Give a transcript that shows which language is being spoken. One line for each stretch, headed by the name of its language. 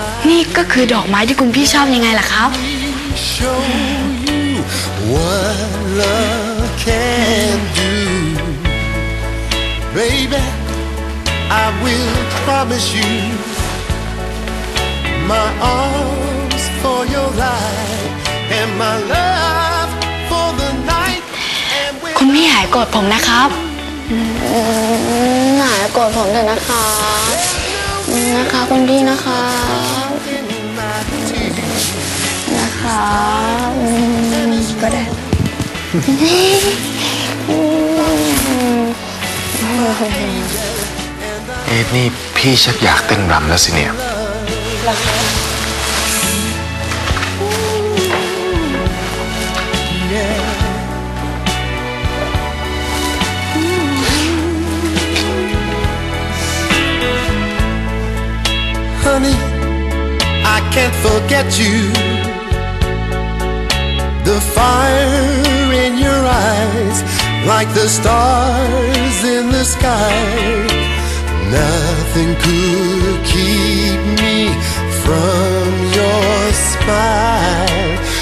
Thai: นี่ก็คือดอกไม้ที่คุณพี่ชอบยังไงล่ะครับ
English: Show you what love can do, baby. I will promise you my arms for your life and my love for the night.
Thai: คุณพี่หายกอดผมนะครับ หายกอดผมเถอะนะคะนะคะคุณพี่นะคะนะคะก็ได้เอ็ดนี่พี่ชักอยากเต้นรำแล้วสิเนี่ย
English: Honey, I can't forget you. The fire in your eyes, like the stars in the sky. Nothing could keep me from your smile.